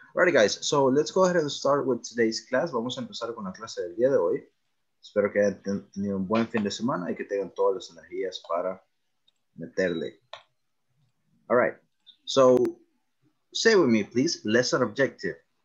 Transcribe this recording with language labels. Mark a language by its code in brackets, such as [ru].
[en] Alright guys, so let's go ahead and start with today's class. [es] Vamos a empezar con la clase del día de hoy. Espero que hayan tenido un buen fin de semana y que tengan todas las energías para meterle. [en] Alright, so say with me please, lesson objective.